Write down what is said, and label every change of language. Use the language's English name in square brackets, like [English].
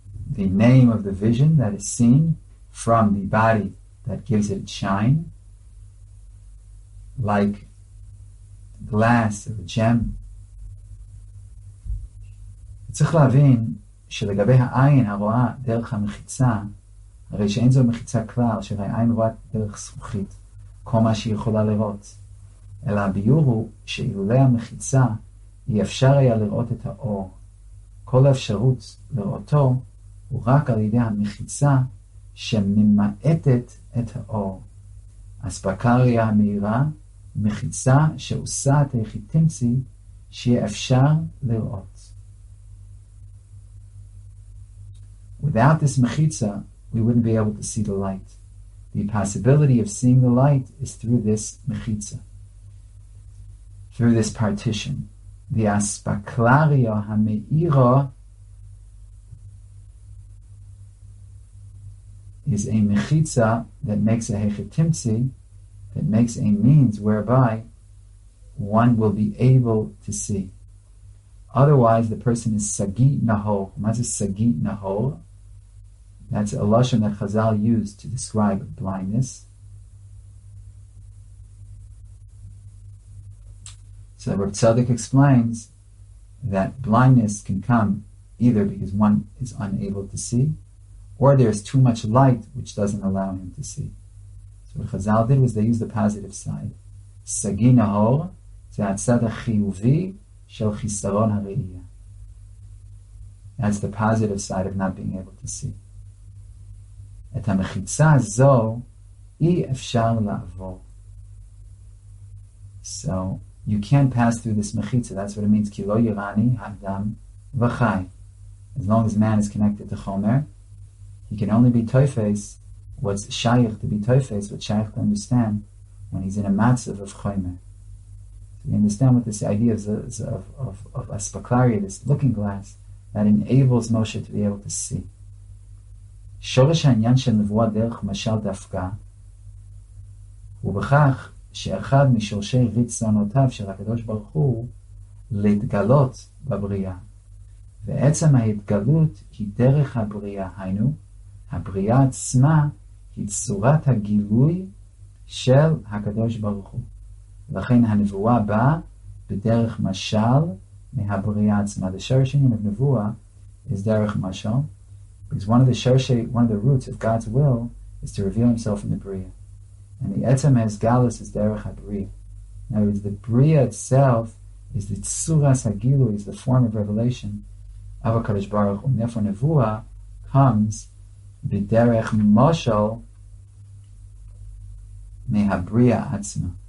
[English] The name of the vision that is seen from the body that gives it shine, like glass of a gem. [Hebrew] צריך להבין שלגבי העין הרואה דרך המחיצה, הרי שאין זו מחיצה כלל, שהרי העין רואה דרך זכוכית, כל מה שהיא יכולה לראות. אלא הביור הוא שאילולי המחיצה, אי אפשר היה לראות את האור. כל האפשרות לראותו הוא רק על ידי המחיצה שממעטת את האור. אספקריה המהירה, מחיצה שעושה את היחיטימצי שיהיה אפשר לראות. [English] Without this מחיצה, we wouldn't be able to see the light. The possibility of seeing the light is through this מחיצה, through this partition. The אספקלריה המאירה is a מחיצה that makes a היחיטימצי, that makes a means whereby one will be able to see. Otherwise, the person is sagi nahor. What is sagi nahor? That's a lashon that Chazal used to describe blindness. So Rav Tzadik explains that blindness can come either because one is unable to see, or there's too much light which doesn't allow him to see. So what Chazal did was they used the positive side. [Hebrew] Sagi nahor, זה הצד החיובי של חיסרון הראייה. [English] That's the positive side of not being able to see. [Hebrew] את המחיצה הזו אי אפשר לעבור. [English] So, you can't pass through this מחיצה. That's what it means. [Hebrew] כי לא יראני האדם וחי. [English] As long as man is connected to Chomer, he can only be toifes. What's shaykh to be toifes, what's shaykh to understand when he's in a matzav of Chomer. You understand what this idea is of aspaklaria, this looking glass, that enables Moshe to be able to see. [Hebrew] שורש העניין של נבואה דרך משל דווקא, הוא בכך שאחד משורשי רצונותיו של הקדוש ברוך הוא, להתגלות בבריאה. ועצם ההתגלות היא דרך הבריאה, היינו, הבריאה עצמה היא צורת הגילוי של הקדוש ברוך הוא. לכן הנבואה באה בדרך משל מהבריאה עצמה. [English] The source of נבואה is דרך משל, because one of the roots of God's will is to reveal himself in the בריאה. And the [Hebrew] עצם הסגלוס is דרך הבריאה. [English] In other words, the בריאה itself is the צורת הגילוי, is the form of revelation of הקדוש ברוך הוא. Therefore, [Hebrew] נבואה [English] comes [Hebrew] בדרך משל מהבריאה עצמה.